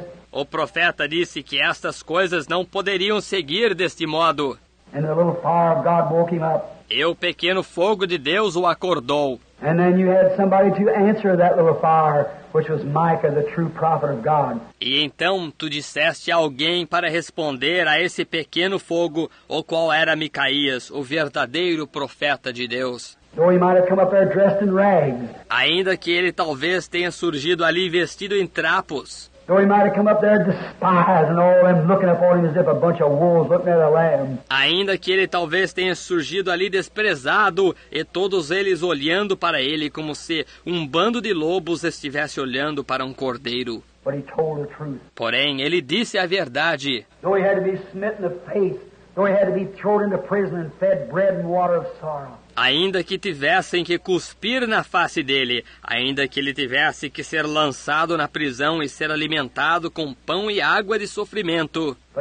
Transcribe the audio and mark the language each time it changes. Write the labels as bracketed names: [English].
[Portuguese] O profeta disse que estas coisas não poderiam seguir deste modo. [English] And the little fire of God woke him up. [Portuguese] E o pequeno fogo de Deus o acordou. [English] And then you had somebody to answer that little fire, which was Micah, the true prophet of God. [Portuguese] E então tu disseste alguém para responder a esse pequeno fogo, o qual era Micaías, o verdadeiro profeta de Deus. [English] Though he might have come up there dressed in rags. [Portuguese] Ainda que ele talvez tenha surgido ali vestido em trapos. [English] Though he might have come up there despised and all them looking upon him as if a bunch of wolves looking at a lamb. [Portuguese] Ainda que ele talvez tenha surgido ali desprezado e todos eles olhando para ele como se um bando de lobos estivesse olhando para um cordeiro. [English] But he told the truth. [Portuguese] Porém, ele disse a verdade. [English] Though he had to be smitten in the face, though he had to be thrown into prison and fed bread and water of sorrow. [Portuguese] Ainda que tivessem que cuspir na face dele, ainda que ele tivesse que ser lançado na prisão e ser alimentado com pão e água de sofrimento.